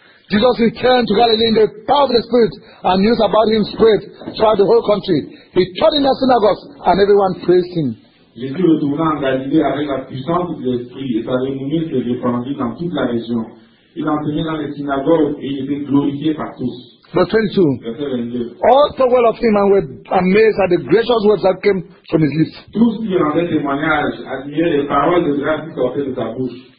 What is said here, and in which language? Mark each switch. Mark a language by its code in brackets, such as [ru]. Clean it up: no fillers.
[en] Jesus returned to Galilee in the power of the Spirit, and news about him spread throughout the whole country. He taught in the synagogues, and everyone praised him. [fr] Jésus retourna en Galilée avec la puissance de l'Esprit, et sa renommée se répandit dans toute la région. Il enseignait dans les synagogues, et il était glorifié par tous. [en] Verse 22. All thought well of him and were amazed at the gracious words that came from his lips. [fr] Tous qui rendaient témoignage admiraient les paroles de grâce qui sortaient de sa bouche.